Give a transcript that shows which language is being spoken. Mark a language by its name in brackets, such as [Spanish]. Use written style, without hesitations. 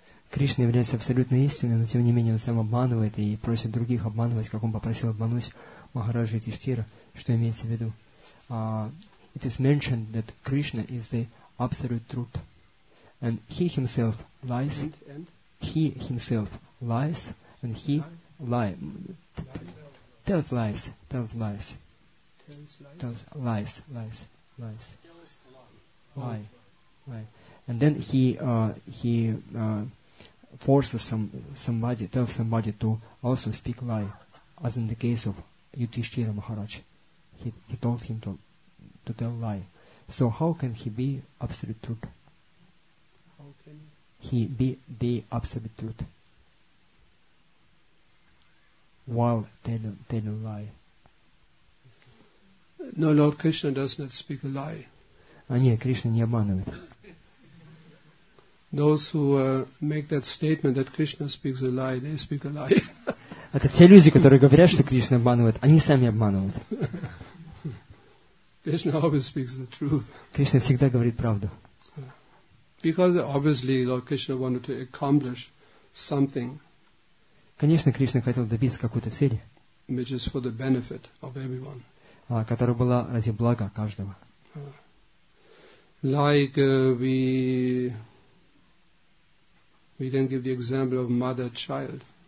[Russian] Кришна является абсолютно истиной, но тем не менее он сам обманывает и просит других обманывать, как он попросил обмануть Махараджа Юдхиштхира, что имеется в виду. [English] It is mentioned that Krishna is the absolute truth. And he himself lies. He himself lies. And he lies. Tells lies. Tells lies. Tells lies. Lies. Lies. Lie. Lie. And then forces somebody, tells somebody to also speak lie, as in the case of Yudhishthira Maharaj. He told him to tell lie. So how can he be absolute truth? How can he be the absolute truth while telling lie? No, Lord Krishna does not speak a lie. [Russian] А нет, Кришна не обманывает. [English] Those who make that statement that Krishna speaks a lie, they speak a lie. [Russian] Это те люди, которые говорят, что Кришна обманывает, они сами обманывают. [English] Krishna always speaks the truth. [Russian] Кришна всегда говорит правду. [English] Because obviously Lord Krishna wanted to accomplish something. [Russian] Конечно, Кришна хотел добиться какой-то цели. [English] Which is for the benefit of everyone. [Russian] Которая была ради блага каждого. [English] Like we can give the example of mother-child.